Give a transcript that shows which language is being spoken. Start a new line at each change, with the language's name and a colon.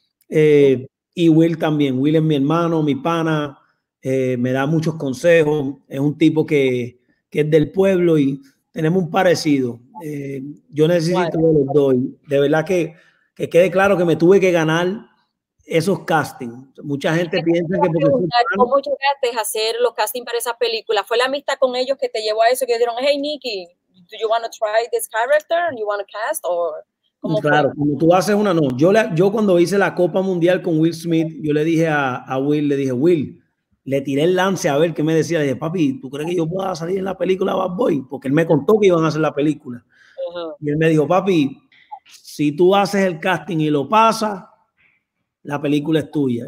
Spanish: Y Will también, Will es mi hermano, mi pana, me da muchos consejos, es un tipo que es del pueblo y tenemos un parecido. Yo necesito de los dos. De verdad que quede claro que me tuve que ganar esos castings. Mucha gente piensa que... ¿Cómo llegaste a hacer los castings para esa película? ¿Fue la amistad con ellos que te llevó a eso? Que dijeron,
English: hey, Nicky, do you want to try this character? ¿You want to cast?
Spanish: Claro, cuando tú haces una, no. Yo cuando hice la Copa Mundial con Will Smith, yo le dije a Will, le dije, Will, le tiré el lance a ver qué me decía. Le dije, papi, ¿tú crees que yo pueda salir en la película Bad Boy? Porque él me contó que iban a hacer la película. Uh-huh. Y él me dijo, papi, si tú haces el casting y lo pasas, la película es tuya.